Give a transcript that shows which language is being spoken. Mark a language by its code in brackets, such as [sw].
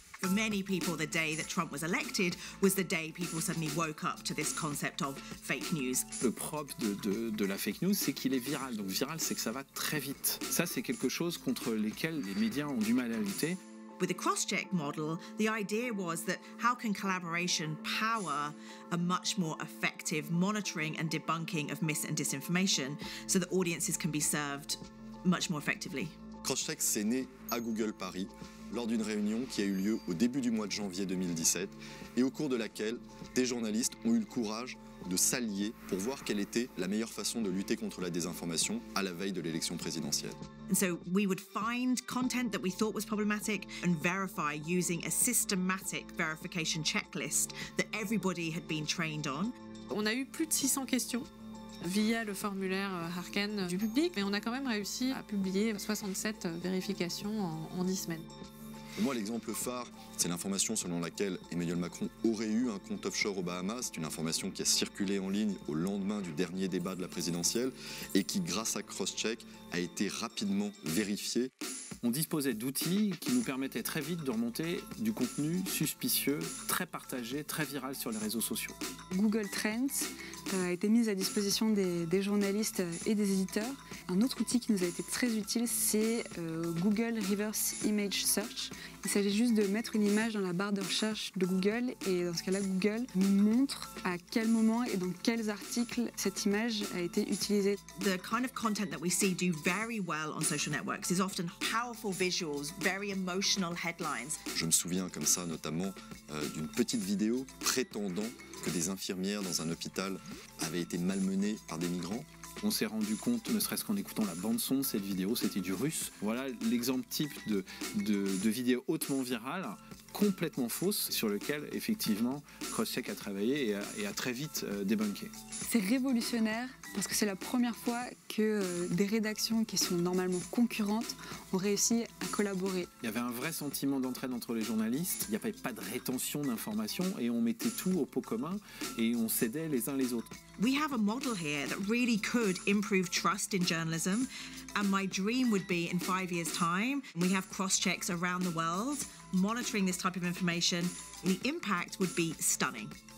[en] Many people, the day that Trump was elected was the day people suddenly woke up to this concept of fake news. [fr] Le propre de la fake news, c'est qu'il est viral. Donc viral, c'est que ça va très vite. Ça, c'est quelque chose contre lequel les médias ont du mal à lutter. [en] With the CrossCheck model, the idea was that how can collaboration power a much more effective monitoring and debunking of mis and disinformation so that audiences can be served much more effectively? [fr] CrossCheck, c'est né à Google Paris, lors d'une réunion qui a eu lieu au début du mois de janvier 2017 et au cours de laquelle des journalistes ont eu le courage de s'allier pour voir quelle était la meilleure façon de lutter contre la désinformation à la veille de l'élection présidentielle. [en] And so we would find content that we thought was problematic and verify using a systematic verification checklist that everybody had been trained on. [fr] On a eu plus de 600 questions via le formulaire Harken du public, mais on a quand même réussi à publier 67 vérifications en 10 semaines. Pour moi, l'exemple phare, c'est l'information selon laquelle Emmanuel Macron aurait eu un compte offshore aux Bahamas. C'est une information qui a circulé en ligne au lendemain du dernier débat de la présidentielle et qui, grâce à CrossCheck, a été rapidement vérifiée. On disposait d'outils qui nous permettaient très vite de remonter du contenu suspicieux, très partagé, très viral sur les réseaux sociaux. Google Trends a été mise à disposition des journalistes et des éditeurs. Un autre outil qui nous a été très utile, c'est Google Reverse Image Search. Il s'agit juste de mettre une image dans la barre de recherche de Google, et dans ce cas-là, Google nous montre à quel moment et dans quels articles cette image a été utilisée. [en] The kind of content that we see do very well on social networks is often powerful visuals, very emotional headlines. [fr] Je me souviens comme ça notamment d'une petite vidéo prétendant que des infirmières dans un hôpital avaient été malmenées par des migrants. On s'est rendu compte, ne serait-ce qu'en écoutant la bande-son de cette vidéo, c'était du russe. Voilà l'exemple type de vidéo hautement virale, complètement fausse, sur lequel effectivement CrossCheck a travaillé et a très vite débunké. C'est révolutionnaire parce que c'est la première fois que des rédactions qui sont normalement concurrentes ont réussi à collaborer. Il y avait un vrai sentiment d'entraide entre les journalistes, il n'y avait pas de rétention d'informations et on mettait tout au pot commun et on s'aidait les uns les autres. [en] We have a model here that really could improve trust in journalism, and my dream would be in 5 years' time we have cross-checks around the world monitoring this type of information. The impact would be stunning.